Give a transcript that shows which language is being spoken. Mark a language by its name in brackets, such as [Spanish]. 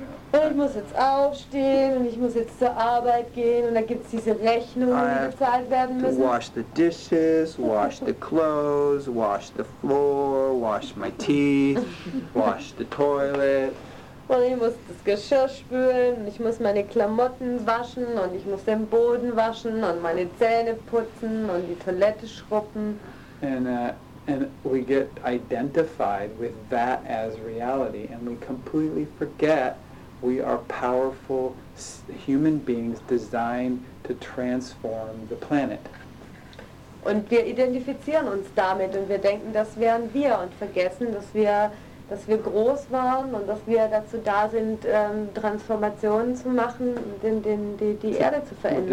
[German] Und ich muss jetzt aufstehen und ich muss jetzt zur Arbeit gehen und da gibt es diese Rechnungen, die bezahlt werden müssen. [English] I have to wash the dishes, wash the clothes, wash the floor, wash my teeth, wash the toilet. [German] Und ich muss das Geschirr spülen, und ich muss meine Klamotten waschen und ich muss den Boden waschen und meine Zähne putzen und die Toilette schrubben. [English] And we get identified with that as reality and we completely forget we are powerful human beings designed to transform the planet. [German] Und wir identifizieren uns damit und wir denken, das wären wir und vergessen, dass wir groß waren und dass wir dazu da sind, Transformationen zu machen, die Erde zu verändern.